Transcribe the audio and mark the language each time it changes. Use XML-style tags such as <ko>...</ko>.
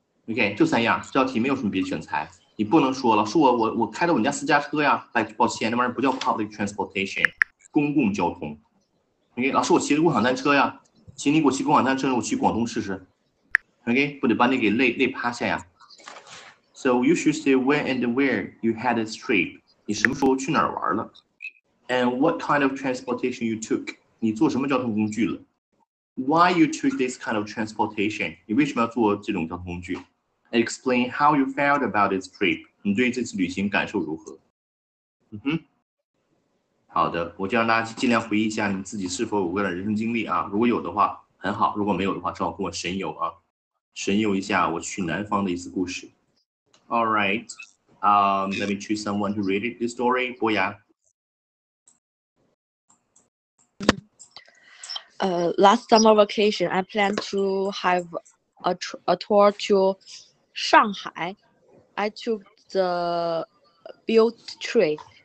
<zh>OK， 就三样，这道题没有什么别的选材，你不能说了，说我开的我们家私家车呀，哎，抱歉，那玩意儿不叫 public transportation， 公共交通。 OK， 老师，我骑着共享单车呀，请你给我骑共享单车，我去广东试试。 OK， 不得把你给累趴下呀。</zh> <en>So you should say when and where you had a trip.</en> <zh>你什么时候去哪儿玩了</zh> <en>？And what kind of transportation you took?</en> <zh>你坐什么交通工具了</zh> <en>？Why you took this kind of transportation?</en> <zh>你为什么要坐这种交通工具</zh> <en>？And explain how you felt about this trip.</en> <zh>你对这次旅行感受如何？好的，我就让大家尽量回忆一下你们自己是否有过的人生经历啊。如果有的话，很好；如果没有的话，正好跟我神游啊，神游一下我去南方的一次故事。</zh> <en>All right. Let me choose someone to read it, the story. Boya. Last summer vacation, I planned to have a tour to Shanghai. I took the bullet train.</en>